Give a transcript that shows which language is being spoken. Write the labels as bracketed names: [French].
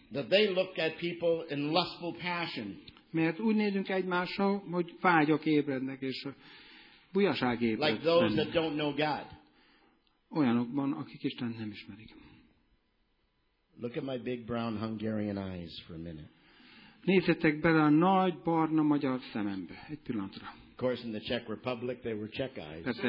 [English] That they look at people in lustful passion. [Hungarian] Mert úgy nézünk egymásra, hogy vágyok ébrednek, és bujaság ébrednek. [English] Like those that don't know God. [Hungarian] Olyanokban, akik Isten nem ismerik. [English] Look at my big brown Hungarian eyes for a minute. [Hungarian] Nézzetek bele a nagy barna magyar szemembe egy pillanatra. [English] Of course, in the Czech Republic, they were Czech eyes.